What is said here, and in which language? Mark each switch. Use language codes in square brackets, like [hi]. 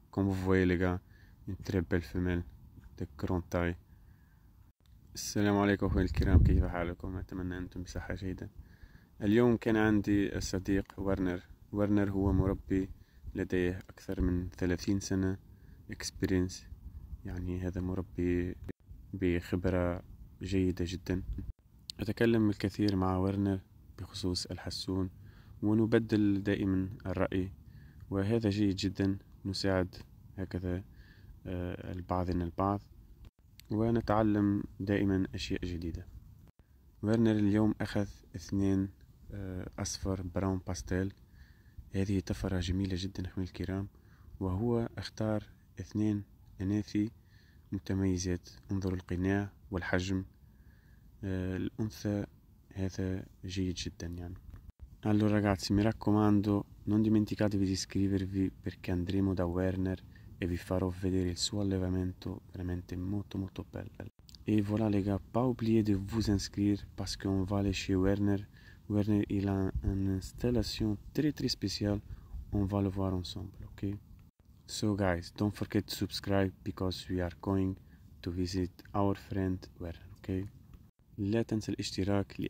[fr] Comme vous voyez, les gars, une très belle femelle de grande taille. [ar] Assalamu alaikum, wa alaikum, kayf halakum, atamanna antum bisaha jayda. اليوم كان عندي الصديق ورنر. ورنر هو مربي لديه أكثر من 30 سنة experience. يعني هذا مربي بخبرة جيدة جدا. أتكلم الكثير مع ورنر بخصوص الحسون ونبدل دائما الرأي، وهذا جيد جدا. نساعد هكذا البعضنا البعض ونتعلم دائما أشياء جديدة. ورنر اليوم أخذ اثنين أصفر براون باستيل. هذه طفرة جميلة جدا أخوي الكرام، وهو اختار اثنين أناثي متميزات. انظر القناع والحجم. الأنثى هذا جيد جدا يعني. [it] Allora ragazzi, mi raccomando, non dimenticatevi di iscrivervi perché andremo da Werner e vi farò vedere il suo allevamento veramente molto molto bello. [fr] Et voilà les gars, pas oublier de vous inscrire parce qu'on va aller chez Werner. Werner il a une installation très très spéciale, on va le voir ensemble, ok? [en] So guys, don't forget to subscribe because we are going to visit our friend Werner, okay? [ar] لا تنسى الاشتراك لأن